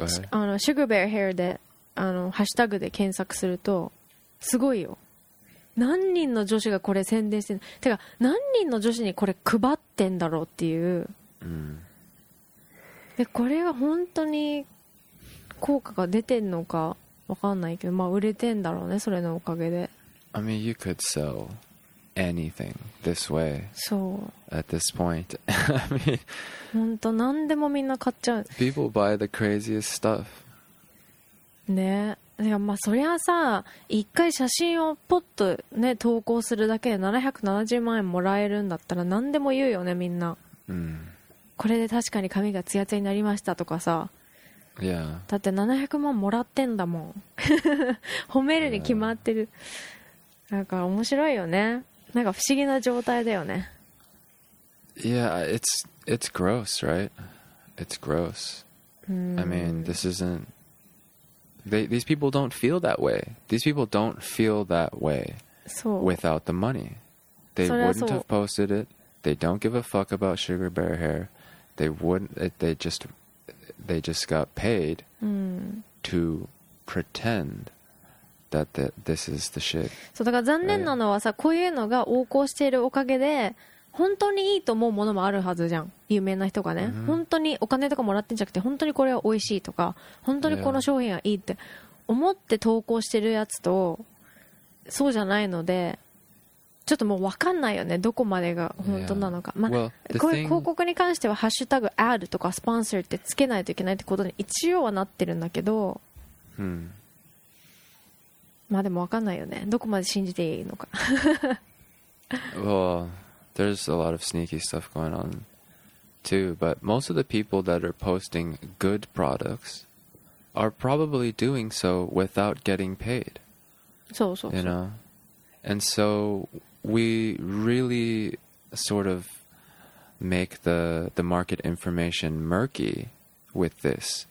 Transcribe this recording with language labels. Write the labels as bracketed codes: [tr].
[ja] あのシグベアヘアで、あのハッシュタグで検索するとすごいよ、何人の女子がこれ宣伝してる、てか何人の女子にこれ配ってんだろうっていう、でこれは本当に効果が出てんのかわかんないけど、まあ売れてんだろうね、それのおかげで。 [en] I mean, you could sell anything this way. [ja] そう。 [en] At this point, I mean, [ja] 本当何でもみんな買っちゃう。 [en] People buy the craziest stuff. [ja] ね、いやまあそりゃさ、一回写真をポッとね投稿するだけで770万円もらえるんだったら何でも言うよねみんな。これで確かに髪がツヤツヤになりましたとかさ。 [en] Yeah. [ja] だって700万もらってんだもん褒めるに決まってる、なんか面白いよね、なんか不思議な状態だよね。 [en] Yeah, it's gross, right? It's gross. I mean, this isn't these people don't feel that way. These people don't feel that way without the money. They wouldn't have posted it. They don't give a fuck about Sugar Bear Hair. They just got paid to pretend that this is the shit. [ja] そうだから残念なのはさ、こういうのが横行しているおかげで本当にいいと思うものもあるはずじゃん、有名な人がね、本当にお金とかもらってんじゃなくて本当にこれは美味しいとか本当にこの商品はいいって思って投稿してるやつとそうじゃないので、ちょっともう分かんないよね、どこまでが本当なのか。まあ、こういう広告に関してはハッシュタグ add とかスポンサーってつけないといけないってことに一応はなってるんだけど、まあでも分かんないよね、どこまで信じていいのか。 [en] Well, there's a lot of sneaky stuff going on too, but most of the people that are posting good products, are probably doing so without getting paid. So. You know? And so we really sort of make the market information murky with this.